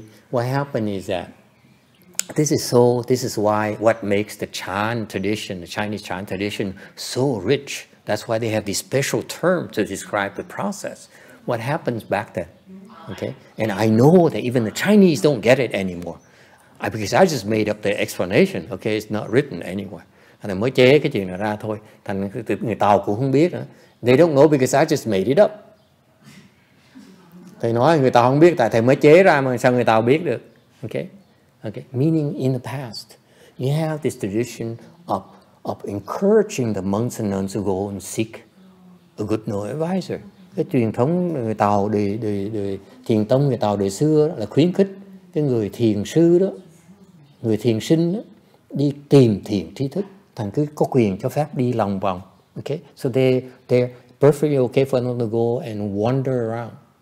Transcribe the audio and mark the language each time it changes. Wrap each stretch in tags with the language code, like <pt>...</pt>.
<en>What happened is that this is why what makes the Chan tradition, the Chinese Chan tradition, so rich. That's why they have this special term to describe the process. What happens back then? Okay? And I know that even the Chinese don't get it anymore. Because I just made up the explanation, okay, it's not written anywhere.</en> <vi>And mới chế cái chuyện này ra thôi. Thành người Tàu cũng không biết nữa.</vi> <en>They don't know because I just made it up.</en> <vi>Thầy nói người ta không biết tại thầy mới chế ra mà sao người ta biết được.</vi> <en>Okay. Meaning in the past, you have this tradition of encouraging the monks and nuns to go and seek a good no advisor.</en> <vi>Cái truyền thống người Tàu đời Thiền Tông người Tàu đời xưa đó, là khuyến khích cái người thiền sư đó, người thiền sinh đó, đi tìm thiền tri thức, thành cứ có quyền cho phép đi lòng vòng. Okay.</vi> <en>So they're perfectly okay for them to go and wander around.</en>